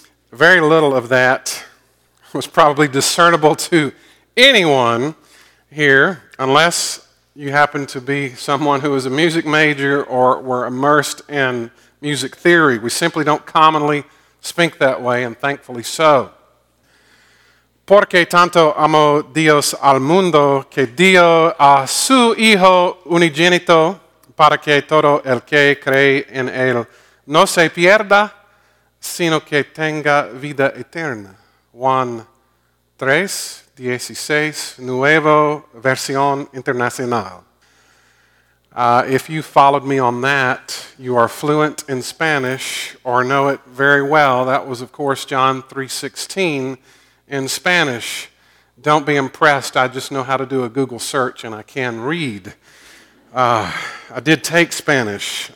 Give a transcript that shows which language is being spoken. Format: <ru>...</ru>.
<en>very little of that was probably discernible to anyone here, unless you happen to be someone who is a music major or were immersed in music theory. We simply don't commonly speak that way, and thankfully so.</en> <es>Porque tanto amo Dios al mundo que dio a su hijo unigénito, para que todo el que cree en él no se pierda, sino que tenga vida eterna. Juan 3, 16, Nueva Versión Internacional.</es> <en>If you followed me on that, you are fluent in Spanish or know it very well. That was, of course, John 3:16 in Spanish. Don't be impressed. I just know how to do a Google search and I can read. I did take Spanish.</en>